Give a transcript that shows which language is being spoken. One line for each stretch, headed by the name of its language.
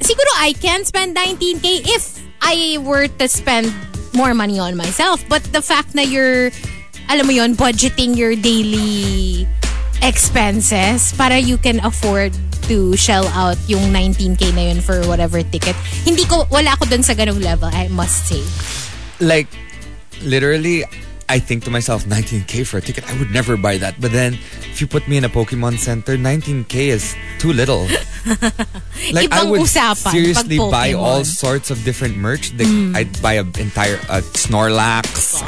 English: Siguro I can spend 19K if I were to spend more money on myself. But the fact na you're,
Filipino: alam mo yon,
English: budgeting your daily expenses para you can afford to shell out yung 19K na yun for whatever ticket.
Filipino: Hindi ko, wala ako dun sa ganong level,
English: I must say. Like, literally, I think to myself, 19K for a ticket, I would never buy that. But then, if you put me in a Pokemon Center, 19K is too little.
Filipino: Like, ibang
English: I would
Filipino: usapan,
English: seriously buy all sorts of different merch. Like, I'd buy an entire Snorlax. Why?